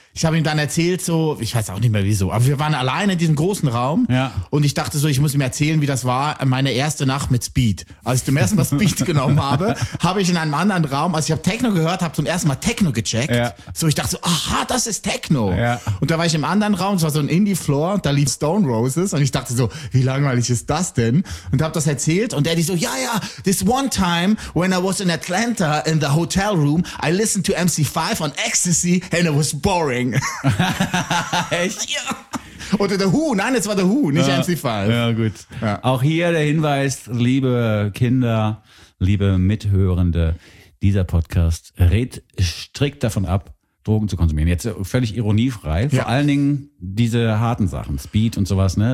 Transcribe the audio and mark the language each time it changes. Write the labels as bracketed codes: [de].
[de] Ich habe ihm dann erzählt so, ich weiß auch nicht mehr wieso, aber wir waren alleine in diesem großen Raum und ich dachte so, ich muss ihm erzählen, wie das war, meine erste Nacht mit Speed. Als ich zum ersten Mal Speed genommen habe, habe ich in einem anderen Raum, als ich habe Techno gehört, habe zum ersten Mal Techno gecheckt. Ja. So, ich dachte so, aha, das ist Techno. Ja. Und da war ich im anderen Raum, es war so ein Indie-Floor, da lief Stone Roses und ich dachte so, wie langweilig ist das denn? Und habe das erzählt und Eddie so, ja, ja, [en] this one time when I was in Atlanta in the hotel room, I listened to MC5 on Ecstasy and it was boring. [de] Echt? Ja. Oder The Who, nein, es war The Who, nicht MC5. Ja, gut. Ja. Auch hier der Hinweis, liebe Kinder, liebe Mithörende, dieser Podcast rät strikt davon ab, Drogen zu konsumieren. Jetzt völlig ironiefrei, vor allen Dingen diese harten Sachen, Speed und sowas, ne?